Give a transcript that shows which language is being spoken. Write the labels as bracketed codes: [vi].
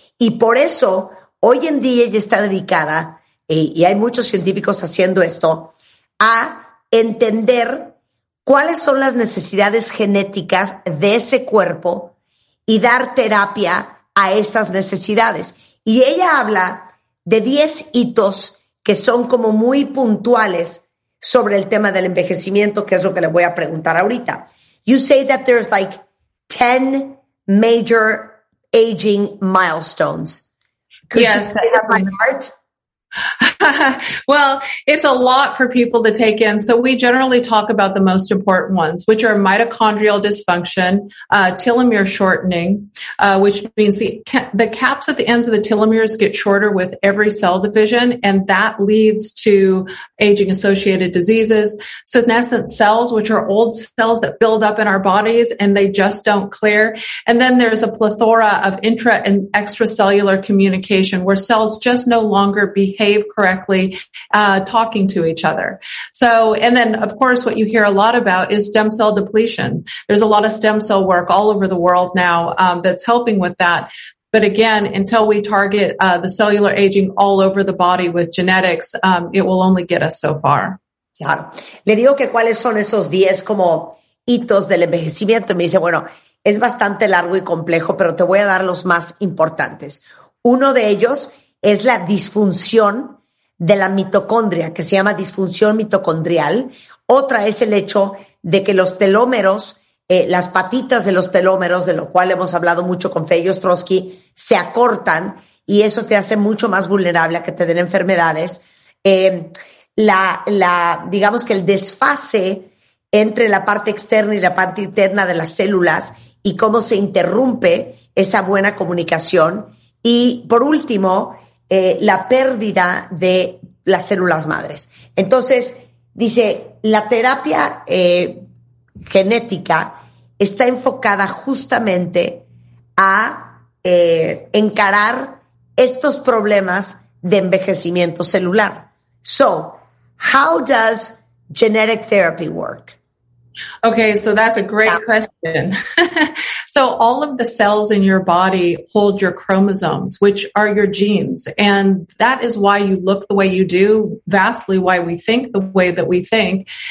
[es] Y por eso hoy en día ella está dedicada, y hay muchos científicos haciendo esto, a entender cuáles son las necesidades genéticas de ese cuerpo y dar terapia a esas necesidades. Y ella habla de 10 hitos que son como muy puntuales sobre el tema del envejecimiento, que es lo que le voy a preguntar ahorita. [en] You say that there's like 10 major aging milestones. Could yes, you say that by heart? Well, it's a lot for people to take in. So we generally talk about the most important ones, which are mitochondrial dysfunction, telomere shortening, which means the caps at the ends of the telomeres get shorter with every cell division, and that leads to aging-associated diseases. Senescent cells, which are old cells that build up in our bodies and they just don't clear. And then there's a plethora of intra and extracellular communication, where cells just no longer behave correctly talking to each other. So, and then of course, what you hear a lot about is stem cell depletion. There's a lot of stem cell work all over the world now that's helping with that. But again, until we target the cellular aging all over the body with genetics, it will only get us so far. [es] Claro. Le digo que cuáles son esos 10 como hitos del envejecimiento. Me dice, bueno, es bastante largo y complejo, pero te voy a dar los más importantes. Uno de ellos es la disfunción de la mitocondria, que se llama disfunción mitocondrial. Otra es el hecho de que los telómeros, las patitas de los telómeros, de lo cual hemos hablado mucho con Faye Ostrowski, se acortan y eso te hace mucho más vulnerable a que te den enfermedades. Digamos que el desfase entre la parte externa y la parte interna de las células y cómo se interrumpe esa buena comunicación. Y por último, la pérdida de las células madres. Entonces, dice, la terapia genética está enfocada justamente a encarar estos problemas de envejecimiento celular. [en] So, how does genetic therapy work? Okay, so that's a great question. So all of the cells in your body hold your chromosomes, which are your genes. And that is why you look the way you do, vastly why we think the way that we think.